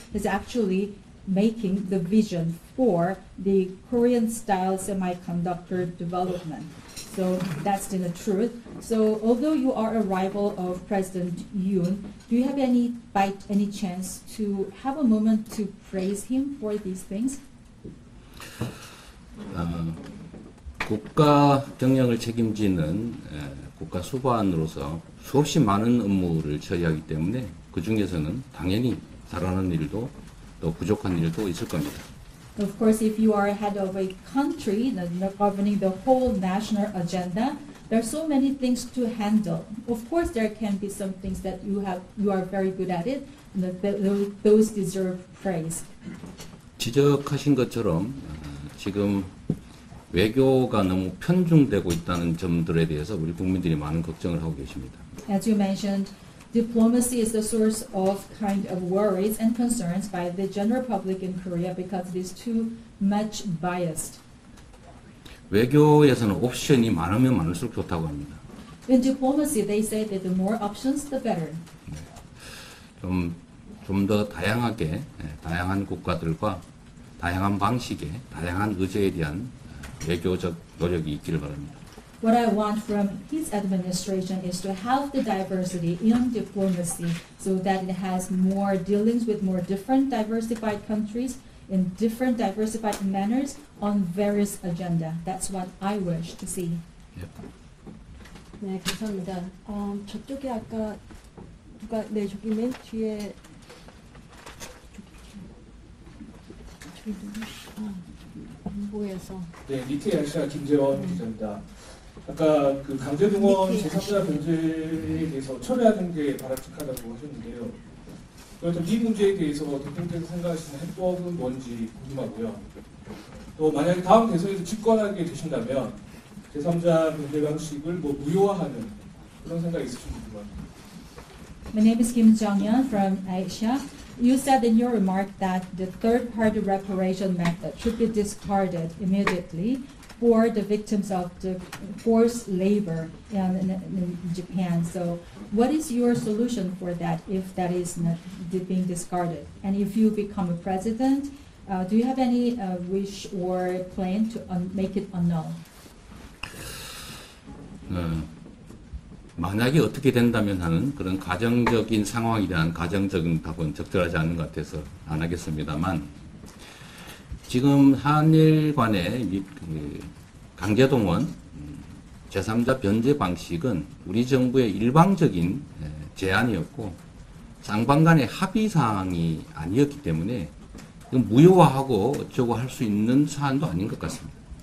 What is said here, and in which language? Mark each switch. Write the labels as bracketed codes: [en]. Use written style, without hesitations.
[en] He's actually making the vision for the Korean-style semiconductor development. So that's the truth. So although you are a rival of President Yoon, do you have any chance to have a moment to praise him for these things? [ko] 국가 경영을 책임지는 국가 수반으로서 수없이 많은 업무를 처리하기 때문에 그 중에서는 당연히 잘하는 일도 또 부족한 일도 있을 겁니다. [en] Of course, if you are head of a country, governing the whole national agenda, there are so many things to handle. Of course, there can be some things that you are very good at it, and those deserve praise. [ko] 지적하신 것처럼 지금 외교가 너무 편중되고 있다는 점들에 대해서 우리 국민들이 많은 걱정을 하고 계십니다. [en] As you mentioned, diplomacy is the source of kind of worries and concerns by the general public in Korea because it is too much biased. [ko] 외교에서는 옵션이 많으면 많을수록 좋다고 합니다. [en] In diplomacy, they say that the more options, the better. [ko] 좀 더 다양하게, 다양한 국가들과 다양한 방식의 다양한 의제에 대한 외교적 노력이 있기를 바랍니다. [en] What I want from his administration is to have the diversity in diplomacy so that it has more dealings with more different diversified countries in different diversified manners on various agenda. That's what I wish to see. [ko] Yep. 네, 감사합니다. 저쪽에 아까 누가, 네, 저기 맨 뒤에 안보에서 네, 니트 양시아 김재원 기자입니다. 아까 그 강제동원 제3자 변제에 대해서 철회하는 게 바람직하다고 하셨는데요. 그래서 이 문제에 대해서 대통령께서 생각하시는 해법은 뭔지 궁금하고요. 또 만약에 다음 대선에서 집권하게 되신다면 제3자 변제 방식을 뭐 무효화하는 그런 생각이 있으신지 궁금합니다. [en] My name is Kim Jong-yeon from Asia. You said in your remark that the third-party reparation method should be discarded immediately for the victims of the forced labor in Japan. So what is your solution for that if that is not being discarded? And if you become a president, do you have any wish or plan to make it unknown? [ko] 만약에 어떻게 된다면 하는 그런 가정적인 상황에 대한 가정적인 답은 적절하지 않은 것 같아서 안 하겠습니다만 지금 한일 간의 강제동원 제3자 변제 방식은 우리 정부의 일방적인 제안이었고 쌍방 간의 합의사항이 아니었기 때문에 무효화하고 어쩌고 할 수 있는 사안도 아닌 것 같습니다.